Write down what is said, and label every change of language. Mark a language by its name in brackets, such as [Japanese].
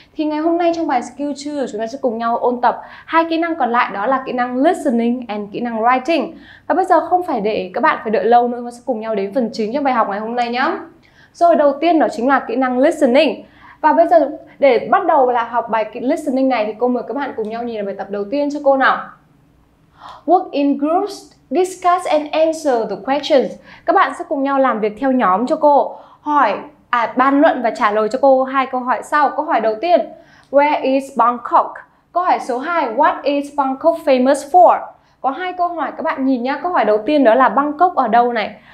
[Vietnamese] Thì ngày hôm nay trong bài Skill 2, chúng ta sẽ cùng nhau ôn tập 2 kỹ năng còn lại, đó là kỹ năng listening and kỹ năng writing. Và bây giờ không phải để các bạn phải đợi lâu nữa, chúng ta sẽ cùng nhau đến phần chính trong bài học ngày hôm nay nhé. Rồi, đầu tiên đó chính là kỹ năng listening. Và bây giờ để bắt đầu là học bài listening này thì cô mời các bạn cùng nhau nhìn vào bài tập đầu tiên cho cô nào. [English] Work in groups, discuss and answer the questions. [Vietnamese] Các bạn sẽ cùng nhau làm việc theo nhóm cho cô, bàn luận và trả lời cho cô 2 câu hỏi sau. Câu hỏi đầu tiên, [English] where is Bangkok? [Vietnamese] Câu hỏi số 2, [English] what is Bangkok famous for? [Vietnamese] Có 2 câu hỏi các bạn nhìn nhá. Câu hỏi đầu tiên đó là Bangkok ở đâu này.